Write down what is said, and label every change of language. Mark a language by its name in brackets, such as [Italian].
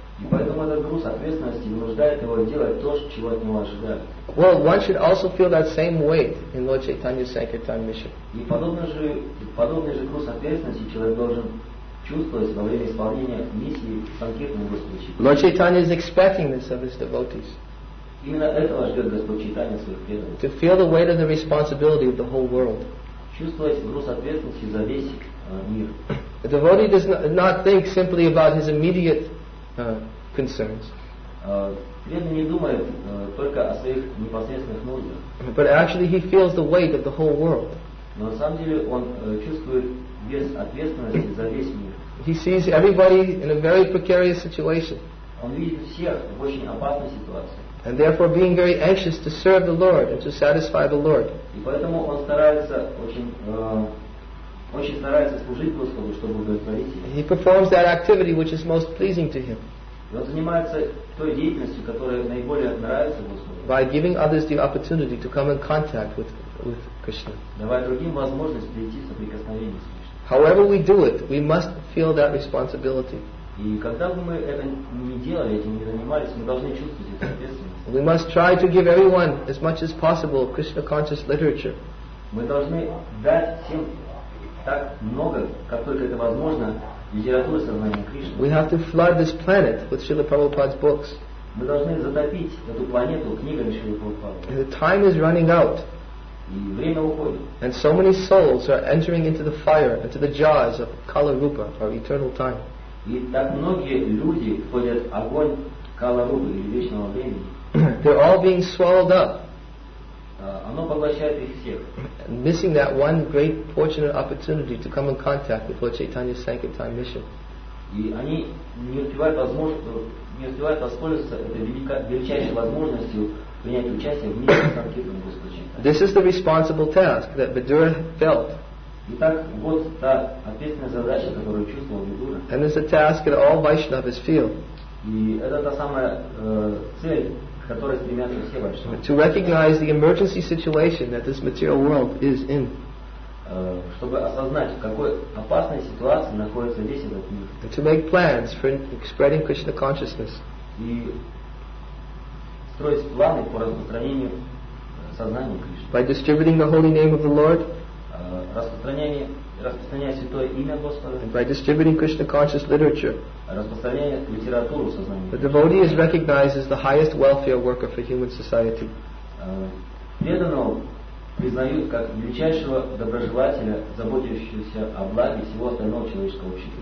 [Russian] И поэтому этот груз ответственности вынуждает его делать то, чего от него ожидают. [English] Well, one should also feel that same weight in Lord Chaitanya's Sankirtan mission. [Russian] И подобный же груз ответственности человек должен чувствовать во время исполнения миссии Санкиртана Господа Чайтаньи. [English] Lord Chaitanya is expecting this of his devotees. [Russian] Именно этого ждет Господь Чайтанья своих преданных. [English] To feel the weight of the responsibility of the whole world. [Russian] Чувствовать груз ответственности за весь мир. [English] A devotee does not think simply about his immediate concerns. [Russian] Преданный не думает только о своих непосредственных нуждах. [English] But actually he feels the weight of the whole world. [Russian] Но на самом деле он чувствует вес ответственности за весь мир. [English] He sees everybody in a very precarious situation. [Russian] Он видит всех в очень опасной ситуации. [English] And therefore being very anxious to serve the Lord and to satisfy the Lord. [Russian] И поэтому он старается очень старается служить Господу, чтобы удовлетворить его. [English] He performs that activity which is most pleasing to him. [Russian] И он занимается той деятельностью, которая наиболее нравится Господу. [English] By giving others the opportunity to come in contact with Krishna. [Russian] Давая другим возможность прийти в соприкосновение с Кришной. [English] However we do it, we must feel that responsibility. [Russian] И когда бы мы это не делали, этим не занимались, мы должны чувствовать эту ответственность. [English] We must try to give everyone as much as possible Krishna conscious literature. [Russian] Мы должны дать всем так много, как только это возможно, литературы сознания Кришны. [English] We have to flood this planet with Srila Prabhupada's books. [Russian] Мы должны затопить эту планету книгами Шрилы Прабхупады. [English] The time is running out. [Russian] И время уходит. [English] And so many souls are entering into the fire, into the jaws of Kala Rupa, our eternal time. [Russian] И так многие люди входят в огонь Кала Рупы или вечного времени. [English] They're all being swallowed up. [Russian] Оно поглощает их всех. [English] Missing that one great fortunate opportunity to come in contact with Lord Chaitanya's Sankirtan mission. [Russian] И они не успевают воспользоваться этой величайшей возможностью принять участие в миссии Санкиртана Господа Чайтаньи. [English] This is the responsible task that Vidura felt. [Russian] Итак, вот та ответственная задача, которую чувствовал Vidura. [English] And it's a task that all Vaishnavas feel. [Russian] И это та самая цель, к которой стремятся все Вайшнавы. [English] To recognize the emergency situation that this material world is in. [Russian] Чтобы осознать, в какой опасной ситуации находится весь этот мир. [English] And to make plans for spreading Krishna consciousness. [Russian] И строить планы по распространению сознания Кришны. [English] By distributing the holy name of the Lord. [Russian] Распространяя святое имя Господа. [English] And by distributing Krishna conscious literature. [Russian] Распространяя литературу сознания [English] The devotee is recognized as the highest welfare worker for human society. [Russian] Преданного признают как величайшего доброжелателя, заботящегося о благе всего остального человеческого общества.